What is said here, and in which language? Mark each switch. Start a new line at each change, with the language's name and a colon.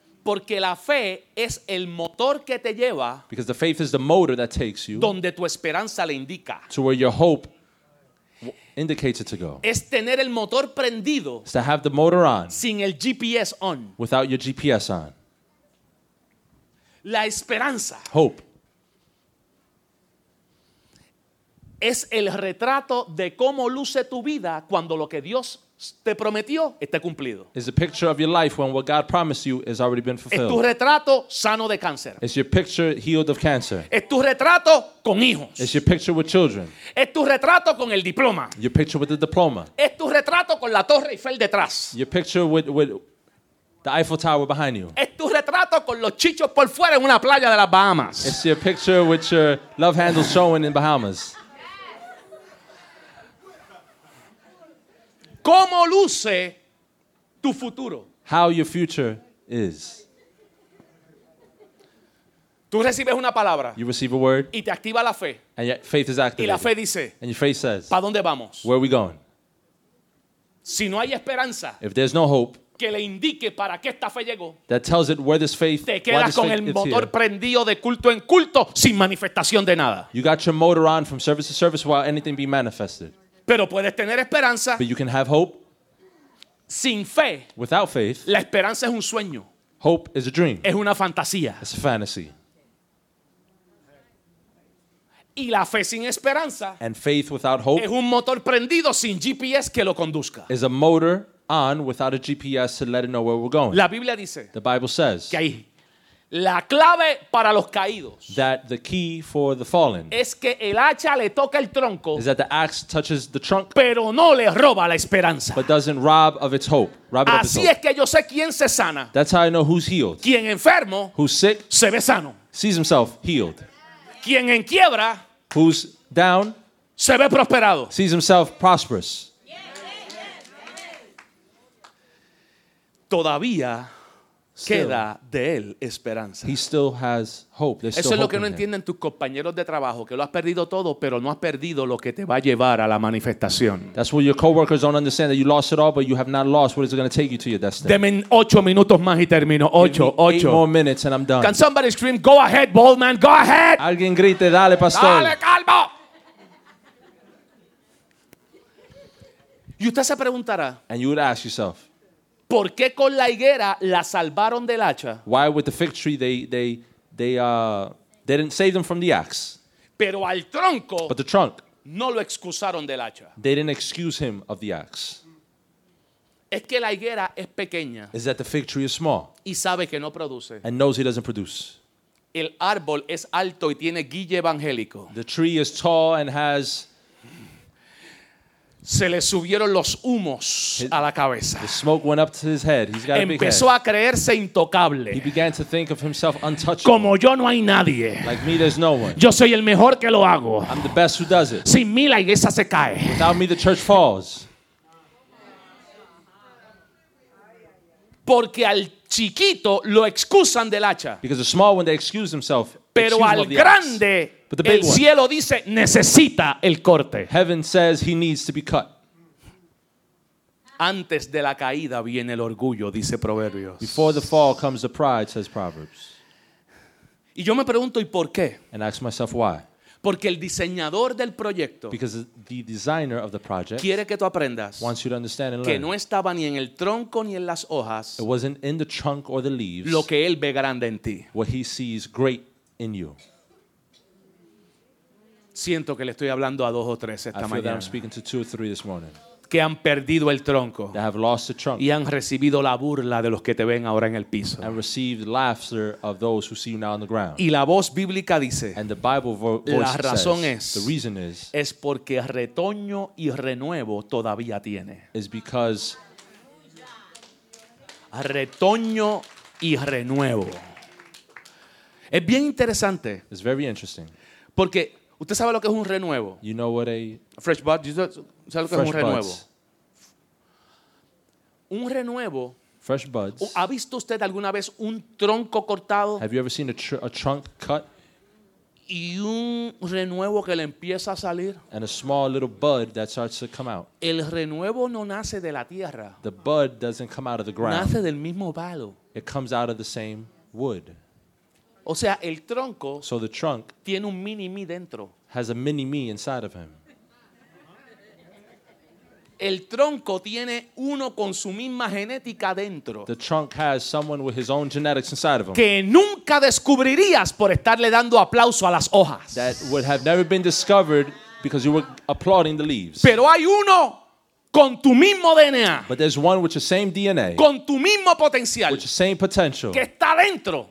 Spanish: Porque la fe es el motor que te lleva.
English: Because the faith is the motor that takes you.
Spanish: Donde tu esperanza le indica.
English: To where your hope indicates it to go.
Spanish: Es tener el motor prendido.
English: It's to have the motor on.
Spanish: Sin el GPS on.
English: Without your GPS on.
Spanish: La esperanza.
English: Hope.
Spanish: es el retrato de cómo luce tu vida cuando lo que Dios te prometió está cumplido.
English: It's a picture of your life when what God promised you has already been fulfilled.
Spanish: Es tu retrato sano de cáncer.
English: It's your picture healed of cancer.
Spanish: Es tu retrato con hijos.
English: It's your picture with children.
Spanish: Es tu retrato con el diploma.
English: Your picture with the diploma.
Spanish: Es tu retrato con la Torre Eiffel detrás.
English: Your picture with the Eiffel Tower behind you.
Spanish: Es tu retrato con los chichos por fuera en una playa de las Bahamas.
English: It's your picture with your love handles showing in Bahamas.
Spanish: ¿Cómo luce tu futuro?
English: How your future is.
Spanish: Tú recibes una palabra.
English: You receive a word.
Spanish: Y te activa la fe.
English: And your faith is activated.
Spanish: Y la fe dice.
English: And your faith says.
Spanish: ¿Para dónde vamos?
English: Where are we going?
Spanish: Si no hay esperanza.
English: If there's no hope.
Spanish: Que le indique para qué esta fe llegó.
English: That tells it where this faith.
Spanish: Te quedas con el motor prendido de culto en culto sin manifestación de nada.
English: You got your motor on from service to service while anything be manifested.
Spanish: Pero puedes tener esperanza.
English: But you can have hope.
Spanish: Sin fe.
English: Without faith.
Spanish: La esperanza es un sueño.
English: Hope is a dream.
Spanish: Es una fantasía.
English: It's a fantasy.
Spanish: Y la fe sin esperanza.
English: And faith without hope.
Spanish: Es un motor prendido sin GPS que lo conduzca.
English: Is a motor on without a GPS to let it know where we're going.
Spanish: La Biblia dice.
English: The Bible says.
Spanish: Que ahí. La clave para los caídos.
English: That the key for the fallen.
Spanish: Es que el hacha le toca el tronco.
English: Is that the axe touches the trunk.
Spanish: Pero no le roba la esperanza.
English: But doesn't rob of its hope. Rob it
Spanish: Así
English: of its hope.
Spanish: Es que yo sé quién se sana.
English: That's how I know who's healed.
Spanish: Quien enfermo.
English: Who's sick.
Spanish: Se ve sano.
English: Sees himself healed.
Spanish: Quien en quiebra.
English: Who's down.
Spanish: Se ve prosperado.
English: Sees himself prosperous.
Spanish: Todavía.
English: Still,
Spanish: queda de él esperanza.
English: He still has hope. There's
Spanish: Eso
English: still
Spanish: es lo que
English: hope
Spanish: no entienden tus compañeros de trabajo, que lo has perdido todo, pero no has perdido lo que te va a llevar a la manifestación.
English: That's what your coworkers don't understand, that you lost it all, but you have not lost what is going to take you to your destiny.
Spanish: Deme 8 minutos más y termino. 8, 8.
English: Eight more minutes and I'm done. Can somebody scream, go ahead, bald man, go ahead.
Spanish: Alguien grite, dale, pastor. Dale, calmo. Y usted se preguntará.
English: And you would ask yourself.
Spanish: ¿Por qué con la higuera la salvaron del hacha?
English: Why with the fig tree they didn't save them from the axe.
Spanish: Pero al tronco.
English: But the trunk.
Spanish: No lo excusaron del hacha.
English: They didn't excuse him of the axe.
Spanish: Es que la higuera es pequeña.
English: Is that the fig tree is small.
Spanish: Y sabe que no produce.
English: And knows he doesn't produce.
Spanish: El árbol es alto y tiene guille evangélico.
English: The tree is tall and has.
Spanish: Se le subieron los humos a la cabeza.
English: The smoke went up to his head. He's got a
Spanish: Empezó
English: big head.
Spanish: Empezó a creerse intocable.
English: He began to think of himself untouchable.
Spanish: Como yo no hay nadie.
English: Like me, there's no one.
Spanish: Yo soy el mejor que lo hago.
English: I'm the best who does it.
Spanish: Sin mí la iglesia se cae.
English: Without me, the church falls.
Spanish: Porque al chiquito lo excusan del hacha.
English: Because the small one, they excuse himself.
Spanish: Pero
English: excuse
Spanish: al grande.
English: But the big
Spanish: el cielo
English: one.
Spanish: Dice necesita el corte.
English: Heaven says he needs to be cut.
Spanish: Antes de la caída viene el orgullo, dice Proverbios.
English: Before the fall comes the pride, says Proverbs.
Spanish: Y yo me pregunto, ¿y por qué?
English: And I ask myself why.
Spanish: Porque el diseñador del proyecto quiere que tú aprendas
English: wants you to understand and
Spanish: que
English: learn.
Spanish: No estaba ni en el tronco ni en las hojas.
English: It wasn't in the trunk or the leaves.
Spanish: Lo que él ve grande en ti.
English: What he sees great in you.
Spanish: Siento que le estoy hablando a dos o tres esta mañana.
English: I feel that I'm speaking to two or three this morning.
Spanish: Que han perdido el tronco.
English: They have lost the trunk.
Spanish: Y han recibido la burla de los que te ven ahora en el piso.
English: And received laughter of those who see you now on the ground.
Spanish: Y la voz bíblica dice.
English: And the Bible voice says.
Spanish: La razón es.
English: The reason is.
Spanish: Es porque retoño y renuevo todavía tiene.
English: Is because.
Spanish: Retoño y renuevo. Es bien interesante.
English: It's very interesting.
Spanish: Porque. ¿Usted sabe lo que es un renuevo?
English: You know what a fresh bud?
Spanish: ¿Usted sabe lo que es un renuevo? Un renuevo.
English: Fresh buds.
Spanish: ¿Ha visto usted alguna vez un tronco cortado?
English: Have you ever seen a trunk cut?
Spanish: Y un renuevo que le empieza a salir.
English: And a small little bud that starts to come out.
Spanish: El renuevo no nace de la tierra.
English: The bud doesn't come out of the ground.
Spanish: Nace del mismo palo.
English: It comes out of the same wood.
Spanish: O sea, el tronco
English: so the trunk
Spanish: tiene un mini-me dentro.
English: Has a mini-me inside of him.
Spanish: El tronco tiene uno con su misma genética dentro.
English: The trunk has someone with his own genetics inside of him.
Spanish: Que nunca descubrirías por estarle dando aplauso a las hojas.
English: That would have never been discovered Because you were applauding the leaves.
Spanish: Pero hay uno con tu mismo DNA.
English: But there's one with the same DNA.
Spanish: Con tu mismo potencial.
English: With the same potential.
Spanish: Que está dentro.